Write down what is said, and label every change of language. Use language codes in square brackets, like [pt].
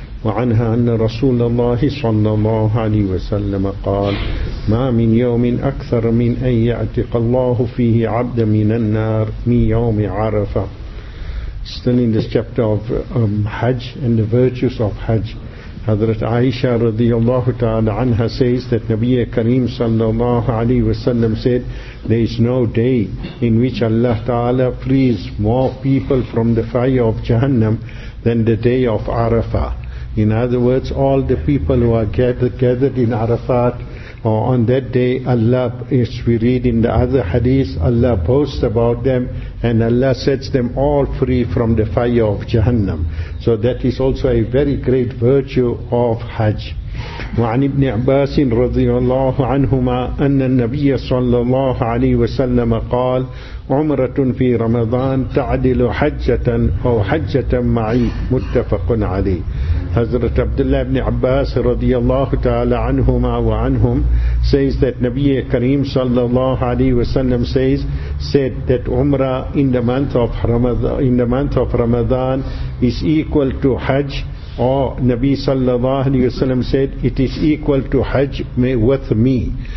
[ar] وعنها أن رسول الله صلى الله عليه وسلم قال: ما من يوم أكثر من أن يعتق الله فيه عبد من النار من يوم عرفة. [en] Still in this chapter of Hajj and the virtues of Hajj, Hazrat Aisha radiallahu ta'ala anha says that Nabiya Kareem sallallahu alayhi wa sallam said, there is no day in which Allah ta'ala frees more people from the fire of Jahannam than the day of Arafah. In other words, all the people who are gathered in Arafat, or on that day, Allah, as we read in the other hadith, Allah boasts about them and Allah sets them all free from the fire of Jahannam. So that is also a very great virtue of Hajj. [ar] وعن ابن عباس رضي الله عنهما أن النبي صلى الله عليه وسلم قال عمرة في رمضان تعدل حجة أو حجة معي. متفق عليه. [en] Hazrat Abdullah ibn Abbas radiyallahu ta'ala anhuma wa anhum says that Nabiya Kareem sallallahu alayhi wa sallam said that Umrah in the month of Ramadan is equal to Hajj, or Nabi sallallahu alayhi wa sallam said it is equal to Hajj with me.